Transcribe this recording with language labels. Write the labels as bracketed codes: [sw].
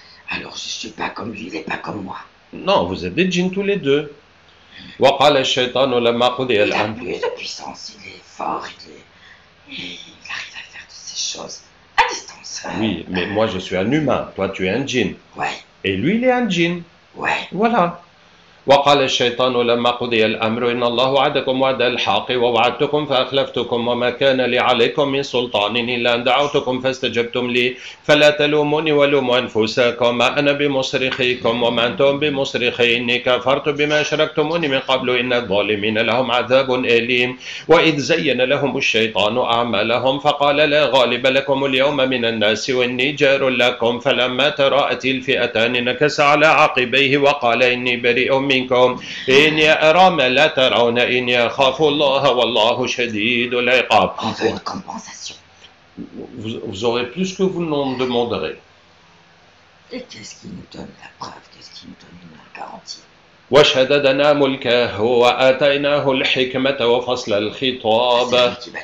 [fr] Alors, je ne suis pas comme lui, il n'est pas comme moi. Non, vous êtes des djinns tous les deux. [ar] وقال الشيطان لما قضي [fr] il a [ar] الأمر. [fr] plus de puissance, il est fort, il arrive à faire toutes ces choses à distance. Oui, mais moi je suis un humain, toi tu es un djinn. Ouais. Et lui il est un djinn. Ouais. Voilà. [ar] وقال الشيطان لما قضي الأمر إن الله وعدكم وعد الحق ووعدتكم فأخلفتكم وما كان لي عليكم من سلطان إلا أن دعوتكم فاستجبتم لي فلا تلوموني ولوموا أنفسكم ما أنا بمصرخيكم وما أنتم بمصرخي إني كفرت بما أشركتموني من قبل إن الظالمين لهم عذاب أليم وإذ زين لهم الشيطان أعمالهم فقال لا غالب لكم اليوم من الناس وإني جار لكم فلما تراءت الفئتان نكس على عقبيه وقال إني بريء منكم إني أرى ما لا ترون إني أخاف الله والله شديد العقاب. [fr] On veut une compensation. Vous aurez plus que vous n'en demanderez. Et qu'est-ce qui nous donne la preuve? Qu'est-ce qui nous donne la garantie? [ar] وشددنا ملكه وآتيناه الحكمة وفصل الخطاب.